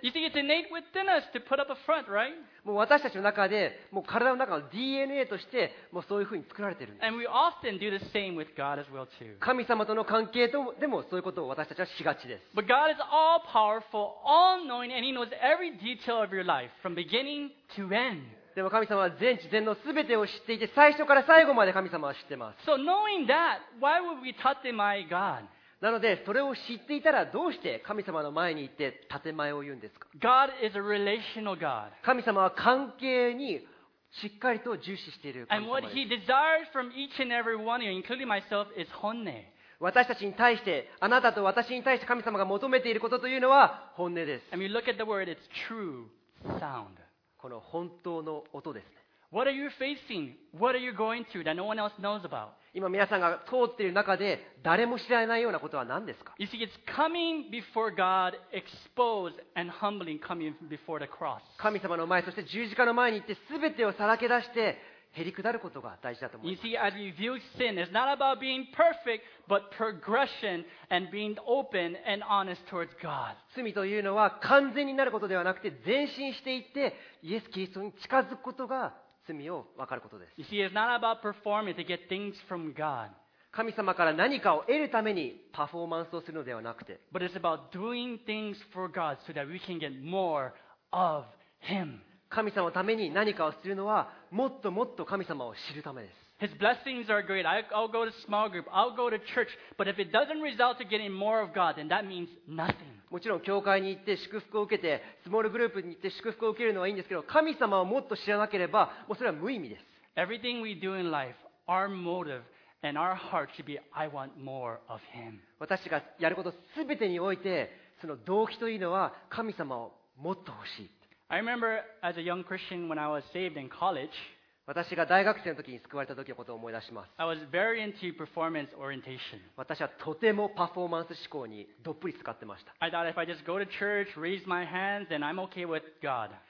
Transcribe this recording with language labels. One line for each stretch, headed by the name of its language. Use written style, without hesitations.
English: You see, it's innate within us to put up a front, right?
Japanese: もう私たちの中で、もう体の中の DNA として、もうそういうふうに作られているんです。神様との関係とでもそういうことを私たちはしがちです。
English: But God is all powerful, all knowing, and He knows every detail of your life from beginning to end.
Japanese: でも神様は全知全能すべてを知っていて、最初から最後まで神様は知ってます。
English: So knowing that, why would we talk to my God?
Japanese: なのでそれを知っていたらどうして神様の前に行って建前を言うんですか。
English: God is a relational God.
Japanese: 神様は関係にしっかりと重視している神様です。
English: And what he desires from each and every one of you, including myself, is 本音。
Japanese: 私たちに対して、あなたと私に対して神様が求めていることというのは本音です。
English: And you look at the word, it's true sound.
Japanese: この本当の音ですね。
English: What are you facing? What are you going through that no one else knows about?
Japanese: 今皆さんが通っている中で誰も知らないようなことは何ですか？
English: You see, it's coming before God, exposed and humbling, coming before the cross.
Japanese: 神様の前、そして十字架の前に行って、すべてをさらけ出して、へりくだることが大事だと思います。
English: You see, as we view sin, it's not about being perfect, but progression and being open and honest towards God.
Japanese: 罪というのは完全になることではなくて、前進していって、イエス・キリストに近づくことが罪を分かることです。
English: You see, it's not about performing to get things from God.
Japanese: 神様から何かを得るためにパフォーマンスをするのではなくて、
English: But it's about doing things for God so that we can get more of Him.
Japanese: 神様のために何かをするのはもっともっと神様を知るためです。
English: His blessings are great. I'll go to small group. I'll go to church. But if it doesn't result to getting more of God, then that means nothing.
Japanese: もちろん教会に行って祝福を受けて、スモールグループに行って祝福を受けるのはいいんですけど、神様をもっと知らなければもうそれは無意味です。
English: Everything we do in life, our motive and our heart should be, I want more of Him.
Japanese: 私がやることすべてにおいて、その動機というのは神様をもっと欲しい。
English: I remember as a young Christian when I was saved in college,
Japanese: 私が大学生の時に救われた時のことを思い出します。
English: I was very into performance orientation.
Japanese: 私はとてもパフォーマンス思考にどっぷり使ってました。
English: I thought if I just go to church, raise my hands, then I'm okay with God.